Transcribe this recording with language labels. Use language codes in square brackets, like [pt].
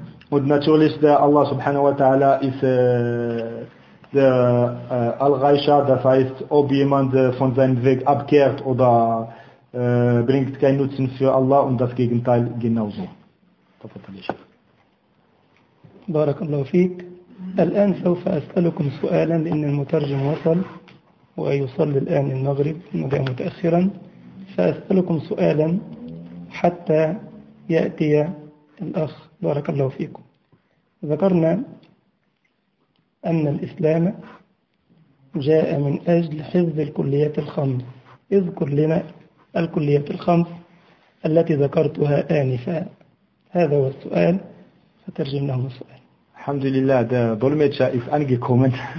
[de] Und natürlich der Allah subhanahu wa ta'ala ist der Al-Ghaisha, das heißt, ob jemand von seinem Weg abkehrt oder bringt keinen Nutzen für Allah und das Gegenteil genauso. [ar] بارك الله فيك. الآن سوف أسألكم سؤالا لأن المترجم وصل ويصلي الآن المغرب جاء متأخرا، سأسألكم سؤالا حتى يأتي الأخ. بارك الله فيكم. ذكرنا أن الإسلام جاء من أجل حفظ الكليات الخمس، اذكر لنا الكليات الخمس التي ذكرتها آنفا. هذا هو السؤال، فترجم لهم السؤال. [de] Alhamdulillah, der Dolmetscher ist angekommen.